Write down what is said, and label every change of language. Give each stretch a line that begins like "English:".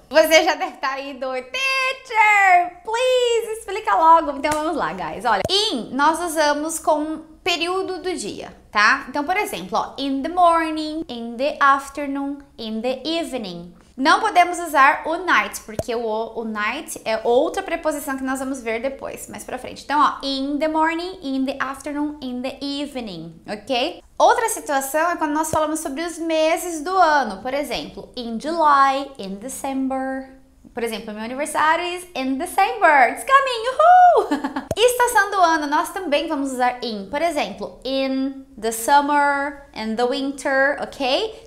Portuguese: Você já deve estar aí do
English: teacher, please,
Portuguese: explica logo. Então vamos lá, guys. Olha, in nós usamos com período do dia, tá? Então, por exemplo, ó,
English: in the morning, in the afternoon, in the evening.
Portuguese: Não podemos usar o night, porque o night é outra preposição que nós vamos ver depois, mais pra frente. Então, ó,
English: in the morning, in the afternoon, in the evening, ok?
Portuguese: Outra situação é quando nós falamos sobre os meses do ano, por exemplo,
English: in July, in December.
Portuguese: Por exemplo, meu aniversário
English: is in December. It's coming, uhul!
Portuguese: Estação do ano, nós também vamos usar in. Por exemplo,
English: in the summer, in the winter,
Portuguese: ok?